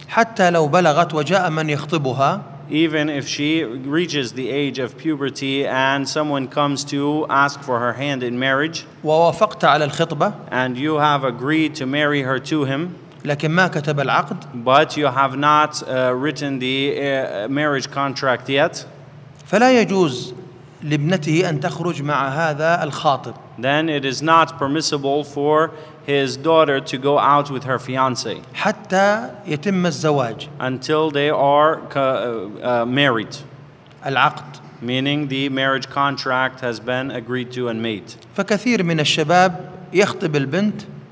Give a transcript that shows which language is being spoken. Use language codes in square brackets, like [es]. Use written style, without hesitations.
[ar] حتى لو بلغت وجاء من يخطبها, [en] even if she reaches the age of puberty and someone comes to ask for her hand in marriage, [ar] ووافقت على الخطبة, [en] and you have agreed to marry her to him, [ar] لكن ما كتب العقد, [en] but you have not written the marriage contract yet, [ar] فلا يجوز لابنته أن تخرج مع هذا الخاطب. [en] Then it is not permissible for his daughter to go out with her fiance [ar] حتى يتم الزواج, [en] until they are married. [ar] العقد, [en] meaning the marriage contract has been agreed to and made. [ar] فكثير من الشباب يخطب البنت,